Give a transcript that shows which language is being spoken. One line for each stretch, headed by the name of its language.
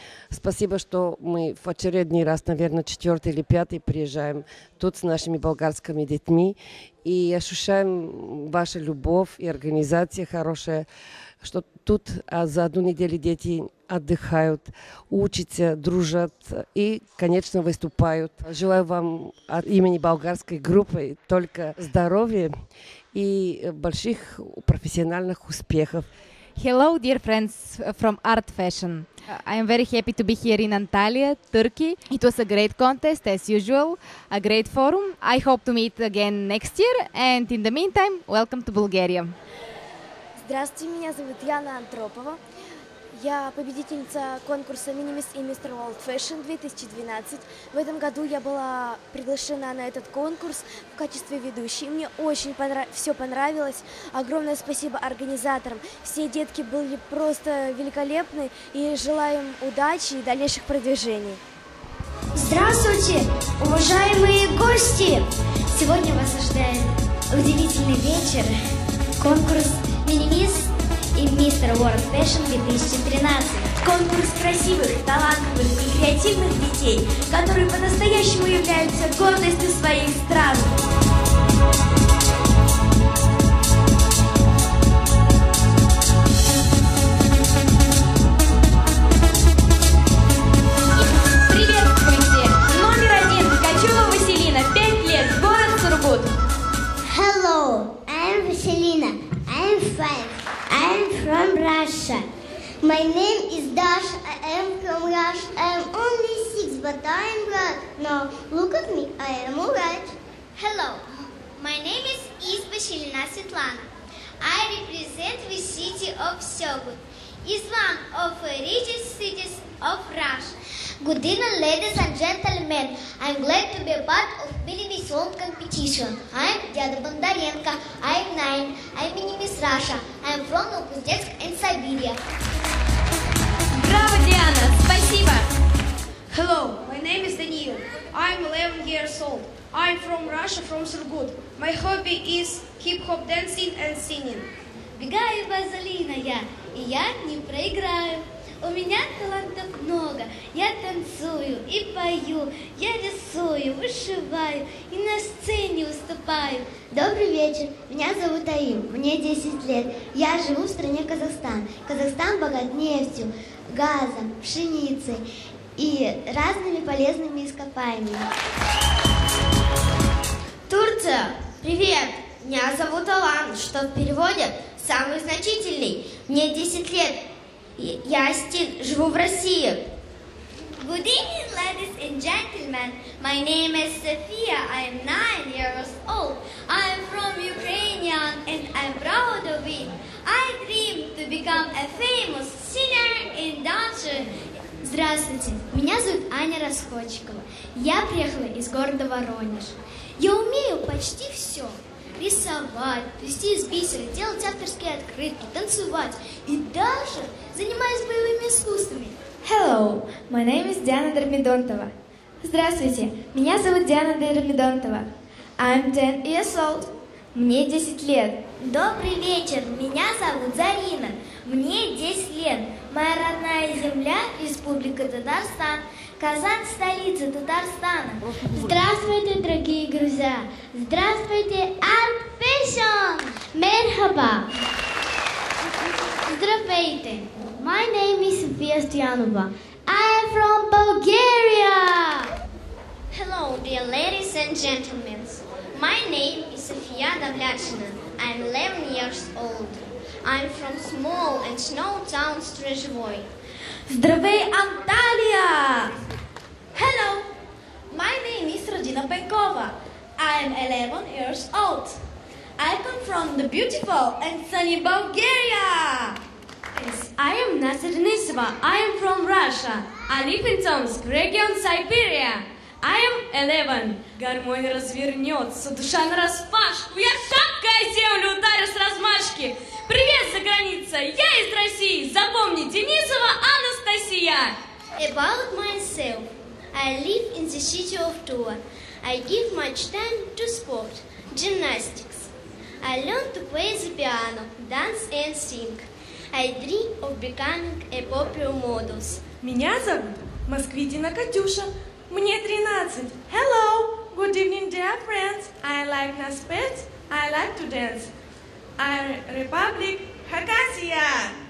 Russian: Спасибо, что мы в очередной раз, наверное, четвертый или пятый приезжаем тут с нашими болгарскими детьми и ощущаем вашу любовь и организация хорошая, что тут за одну неделю дети отдыхают, учатся, дружат и, конечно, выступают. Желаю вам от имени болгарской группы только здоровья и больших профессиональных успехов.
English: Hello, dear friends from Art Fashion. I am very happy to be here in Antalya, Turkey. It was a great contest, as usual, a great forum. I hope to meet again next year, and in the meantime, welcome to Bulgaria.
Russian: Здравствуйте, меня зовут Яна Антропова. Я победительница конкурса Minimis и Mr. World Fashion 2012. В этом году я была приглашена на этот конкурс в качестве ведущей. Мне очень все понравилось. Огромное спасибо организаторам. Все детки были просто великолепны. И желаю им удачи и дальнейших продвижений. Здравствуйте, уважаемые гости! Сегодня вас ожидает удивительный вечер. Конкурс Minimis и Мистер World Fashion 2013. Конкурс красивых, талантливых и креативных детей, которые по-настоящему являются гордостью своих стран. Приветствуйте! Номер один. Качева Василина, 5 лет, город Сургут.
English: Hello, I'm Василина. I'm 5. I'm from Russia. My name is Dasha. I am from Russia. I am only 6, but I'm glad. No, look at me. I am alright. Hello. My name is Izba Shilina Svetlana. I represent the city of Sogut. It's one of the richest cities of Russia. Good evening, ladies and gentlemen. I'm glad to be a part of Minimis World Competition. I'm Diana Bondarenko. I'm 9. I'm Minimis Russia. I'm from Novosibirsk and Siberia.
Russian: Браво, Диана! Спасибо!
English: Hello, my name is Daniil. I'm 11 years old. I'm from Russia, from Surgut. My hobby is hip-hop dancing and singing.
Russian: Бегаю, Базалина, я, и я не проиграю. У меня талантов много, я танцую и пою, я рисую, вышиваю и на сцене выступаю. Добрый вечер, меня зовут Аим, мне 10 лет, я живу в стране Казахстан. Казахстан богат нефтью, газом, пшеницей и разными полезными ископаемыми. Турция, привет, меня зовут Алан, что в переводе «самый значительный», мне 10 лет. Я Стин, живу в России.
English: Good evening, ladies and gentlemen. My name is Sofia. I am 9 years old. I am from Ukraine and I'm proud of it. I dream to become a famous singer and dancer.
Russian: Здравствуйте, меня зовут Аня Расходчикова. Я приехала из города Воронеж. Я умею почти все. Рисовать, плести из бисера, делать авторские открытки, танцевать и даже занимаюсь боевыми искусствами.
English: Hello, my name is Диана Дармидонтова.
Russian: Здравствуйте, меня зовут Диана Дармидонтова.
English: I'm 10 years old.
Russian: Мне 10 лет. Добрый вечер, меня зовут Зарина. Мне 10 лет. Моя родная земля – Республика Татарстан. Казань – столица Татарстана. Здравствуйте, дорогие друзья! Здравствуйте, Art Fashion!
Turkish: Мерхаба!
Bulgarian: Здравейте!
English: My name is Sofia Stoyanova. I am from Bulgaria. Hello, dear ladies and gentlemen. My name is Sofia Davlyachina. I'm 11 years old. I'm from small and snow town Strezhevoy.
Bulgarian: Здравей, Анталия!
English: Hello! My name is Radina Pekova. I'm 11 years old. I come from the beautiful and sunny Bulgaria. Yes, I am Nazar Nisova. I am from Russia. I live in Tomsk, region Siberia. I am 11.
Russian: Гармонь развернется, душа нараспашку. Я шапкой землю ударю с размашки. Привет за границей, я из России. Запомни, Денисова Анастасия.
English: About myself. I live in the city of Tula. I give much time to sport, gymnastics. I learn to play the piano, dance and sing. I dream of becoming a popular model.
Russian: Меня зовут Москвитина Катюша. Мне 13.
English: Hello. Good evening, dear friends. I like nice pets. I like to dance. I'm Republic Хакасия.